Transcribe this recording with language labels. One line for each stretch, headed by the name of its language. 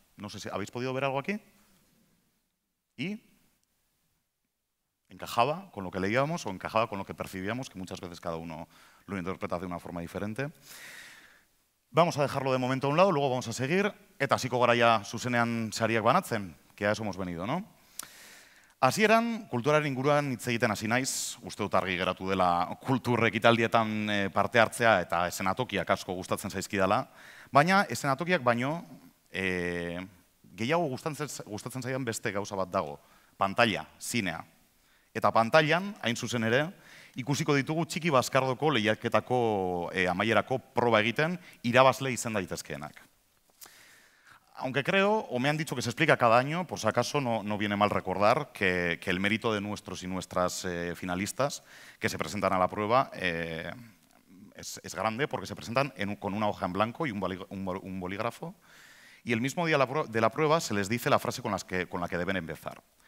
Spanish: No sé si habéis podido ver algo aquí. ¿Y? encajaba con lo que leíamos o encajaba con lo que percibíamos, que muchas veces cada uno lo interpreta de una forma diferente. Vamos a dejarlo de momento a un lado, luego vamos a seguir.
Basque: Eta hasiko gara ya zuzenean sariak banatzen,
Spanish: que a eso hemos venido, ¿no?
Basque: Hasieran, kulturaren inguruan hitz egiten hasi naiz, uste dut argi geratu dela kultur ekitaldietan parte hartzea eta esenatokiak asko gustatzen zaizkidala, baina esenatokiak baino gehiago gustatzen zaidan beste gauza bat dago, pantalla, zinea. Eta pantailan, hain zuzen ere, ikusiko ditugu Txiki Baskardoko lehiaketako amaierako proba egiten irabazle izan daitezkeenak.
Spanish: Aunque creo, o me han dicho que se explica cada año, por si acaso no viene mal recordar que el mérito de nuestros y nuestras finalistas que se presentan a la prueba es grande porque se presentan con una hoja en blanco y un bolígrafo y el mismo día de la prueba se les dice la frase con la que deben empezar.